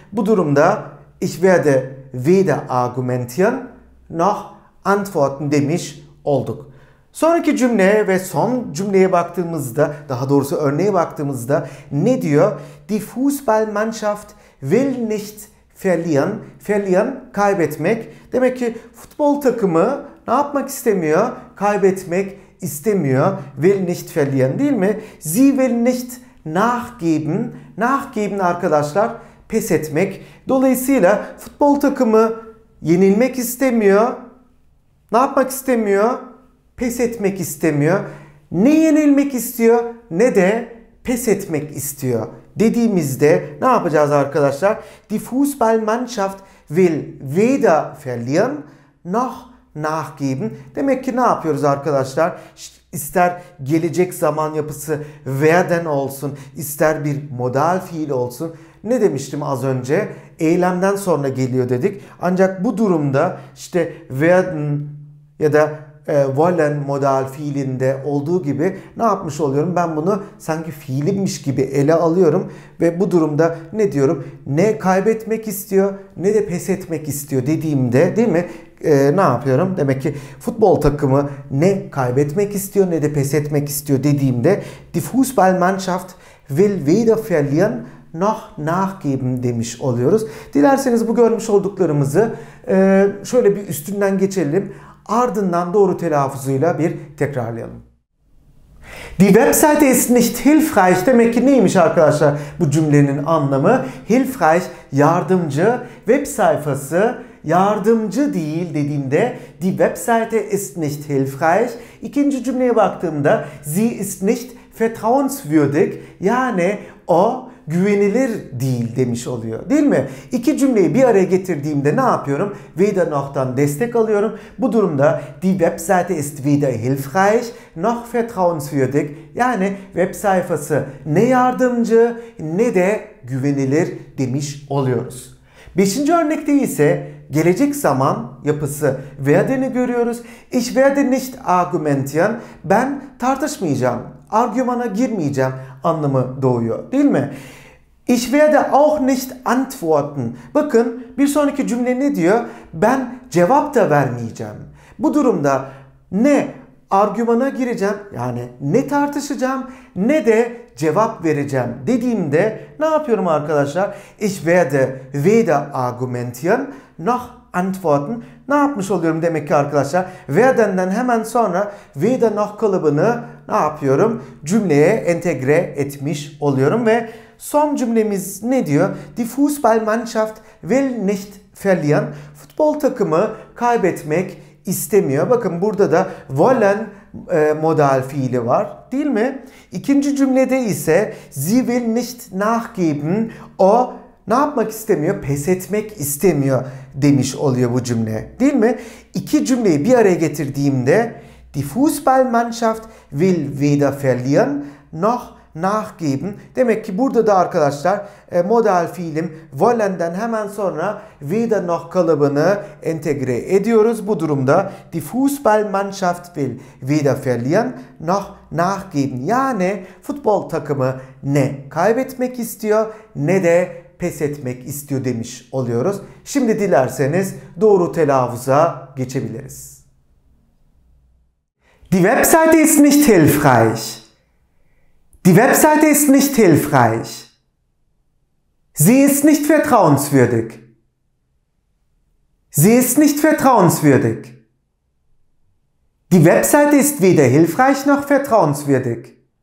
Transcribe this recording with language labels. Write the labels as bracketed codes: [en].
[tr] Bu durumda [de] ich werde weder argumentieren noch antworten [tr] demiş olduk. Sonraki cümle ve son cümleye baktığımızda, daha doğrusu örneğe baktığımızda ne diyor? [de] Die Fußballmannschaft will nicht verlieren. [tr] Verlieren, kaybetmek. Demek ki futbol takımı ne yapmak istemiyor? Kaybetmek istemiyor. [de] Will nicht verlieren, [tr] değil mi? [de] Sie will nicht nachgeben. [tr] Nachgeben arkadaşlar, pes etmek. Dolayısıyla futbol takımı yenilmek istemiyor. Ne yapmak istemiyor? Pes etmek istemiyor. Ne yenilmek istiyor ne de pes etmek istiyor dediğimizde ne yapacağız arkadaşlar? [de] Die Fußballmannschaft will weder verlieren noch nachgeben. [tr] Demek ki ne yapıyoruz arkadaşlar? İster gelecek zaman yapısı werden olsun, ister bir modal fiil olsun. Ne demiştim az önce? Eylemden sonra geliyor dedik. Ancak bu durumda işte werden ya da wollen modal fiilinde olduğu gibi ne yapmış oluyorum? Ben bunu sanki fiilimmiş gibi ele alıyorum ve bu durumda ne diyorum? Ne kaybetmek istiyor ne de pes etmek istiyor dediğimde, değil mi? Ne yapıyorum? Demek ki futbol takımı ne kaybetmek istiyor ne de pes etmek istiyor dediğimde [de] die Fußballmannschaft will weder verlieren noch nachgeben [tr] demiş oluyoruz. Dilerseniz bu görmüş olduklarımızı şöyle bir üstünden geçelim. Ardından doğru telaffuzuyla bir tekrarlayalım. [de] Die Webseite ist nicht hilfreich. [tr] Demek ki neymiş arkadaşlar bu cümlenin anlamı? Hilfreich, yardımcı. Web sayfası yardımcı değil dediğimde [de] die Webseite ist nicht hilfreich. [tr] İkinci cümleye baktığımda [de] sie ist nicht vertrauenswürdig. [tr] Yani o güvenilir değil demiş oluyor. Değil mi? İki cümleyi bir araya getirdiğimde ne yapıyorum? Weder noch'tan destek alıyorum. Bu durumda [de] die Webseite ist weder hilfreich noch vertrauenswürdig. [tr] Yani web sayfası ne yardımcı ne de güvenilir demiş oluyoruz. Beşinci örnekte ise gelecek zaman yapısı werden'i görüyoruz. [de] Ich werde nicht argumentieren. [tr] Ben tartışmayacağım. Argümana girmeyeceğim anlamı doğuyor, değil mi? [de] Ich werde auch nicht antworten. [tr] Bakın bir sonraki cümle ne diyor? Ben cevap da vermeyeceğim. Bu durumda ne argümana gireceğim, yani ne tartışacağım ne de cevap vereceğim dediğimde ne yapıyorum arkadaşlar? [de] Ich werde weder argumentieren noch antworten. [tr] Ne yapmış oluyorum demek ki arkadaşlar? Werden'den hemen sonra weder noch kalıbını ne yapıyorum? Cümleye entegre etmiş oluyorum ve son cümlemiz ne diyor? [de] Die Fußballmannschaft will nicht [tr] Fellian futbol takımı kaybetmek istemiyor. Bakın burada da volen modal fiili var, değil mi? İkinci cümlede ise [de] sie will nicht nachgeben, [tr] o ne yapmak istemiyor? Pes etmek istemiyor demiş oluyor bu cümle, değil mi? İki cümleyi bir araya getirdiğimde [de] die Fußballmannschaft will weder verlieren noch nachgeben. [tr] Demek ki burada da arkadaşlar modal fiilim wollen'den hemen sonra weder noch kalıbını entegre ediyoruz. Bu durumda [de] die Fußballmannschaft will weder verlieren noch nachgeben. [tr] Yani futbol takımı ne kaybetmek istiyor ne de pes etmek istiyor demiş oluyoruz. Şimdi dilerseniz doğru telaffuza geçebiliriz. [de] Die Webseite ist nicht hilfreich. Die Webseite ist nicht hilfreich. Sie ist nicht vertrauenswürdig. Sie ist nicht vertrauenswürdig. Die Webseite ist weder hilfreich noch vertrauenswürdig.